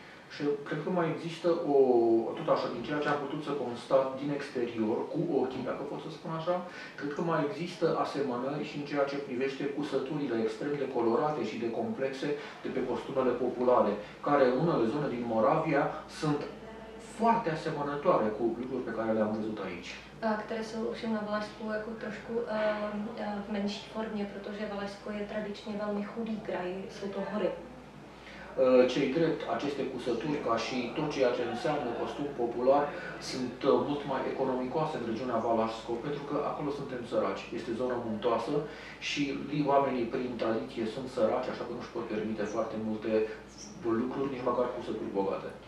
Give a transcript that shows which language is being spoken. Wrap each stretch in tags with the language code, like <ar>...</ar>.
<ro>Și cred că mai există tot așa, din ceea ce am putut să constat din exterior, cu ochii, dacă pot să spun așa, cred că mai există asemănări și în ceea ce privește cusăturile extrem de colorate și de complexe de pe costumele populare, care în unele zone din Moravia sunt foarte asemănătoare cu lucruri pe care le-am văzut aici.</ro> <cs>Které jsou ovšem na Valašsku jako trošku v menší formě, protože Valašsko je tradičně velmi chudý kraj, jsou to hory.</cs> <ro>Ce-i drept, aceste cusături, ca și tot ceea ce înseamnă costum popular, sunt mult mai economicoase în regiunea Valașsko, pentru că acolo suntem săraci. Este zonă muntoasă și oamenii, prin tradiție, sunt săraci, așa că nu își pot permite foarte multe lucruri, nici măcar cusături bogate.</ro>